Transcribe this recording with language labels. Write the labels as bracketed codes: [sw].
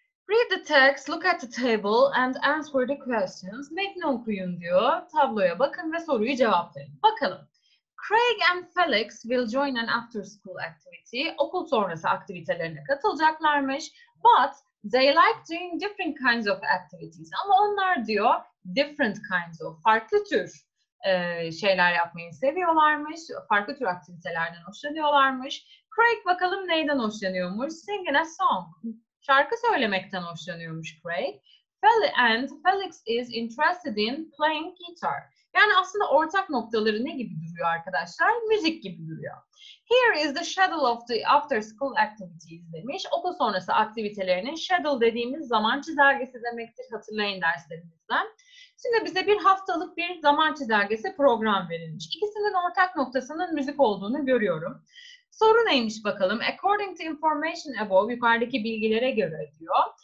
[en] Read the text, look at the table and answer the questions. [tr] Metni okuyun diyor. Tabloya bakın ve soruyu cevaplayın. Bakalım. [en] Craig and Felix will join an after school activity. [tr] Okul sonrası aktivitelerine katılacaklarmış. [en] But they like doing different kinds of activities. [tr] Ama onlar diyor [en] different kinds of, [tr] farklı tür şeyler yapmayı seviyorlarmış. Farklı tür aktivitelerden hoşlanıyorlarmış. Craig bakalım neyden hoşlanıyormuş? [en] Singing a song. [tr] Şarkı söylemekten hoşlanıyormuş Craig. [en] Felix is interested in playing guitar. [tr] Yani aslında ortak noktaları ne gibi duruyor arkadaşlar? Müzik gibi duruyor. [en] Here is the schedule of the after school activities demiş. [tr] Okul sonrası aktivitelerinin schedule dediğimiz zaman çizelgesi demektir. Hatırlayın derslerimizden. Şimdi bize bir haftalık bir zaman çizelgesi program verilmiş. İkisinin ortak noktasının müzik olduğunu görüyorum. Soru neymiş bakalım? [en] According to information above, [tr] yukarıdaki bilgilere göre diyor.